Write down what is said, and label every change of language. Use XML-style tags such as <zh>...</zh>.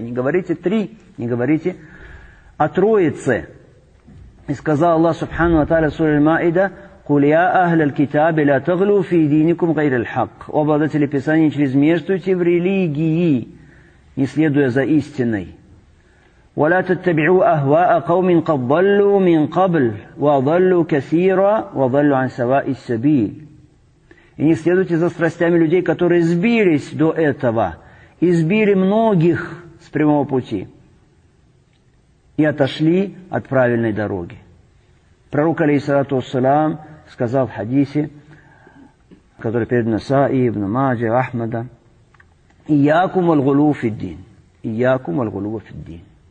<ru>Не говорите три, не говорите о Троице. И сказал Аллах Субхану ва Тааля сура Аль-Маида:</ru> <ar>«Куль я ахля аль-китаби ля таглю фи диникум гайр аль-хак».</ar> <ru>О, обладатели Писания, не чрезмерствуйте в религии, не следуя за истиной.</ru> <ar>ولا تتبعوا اهواء قوم قد ضلوا من قبل وضلوا كثيرا وضلوا عن سواء السبيل.</ar> <ru>И не следуйте за страстями людей, которые сбились до этого и сбили многих с прямого пути и отошли от правильной дороги. Пророк алейхиссалату вассалам сказал в хадисе, который передан Насаи, ибн Маджа, Ахмада:</ru> <ar>ияку мальгулу фиддин, ияку мальгулу фиддин.</ar>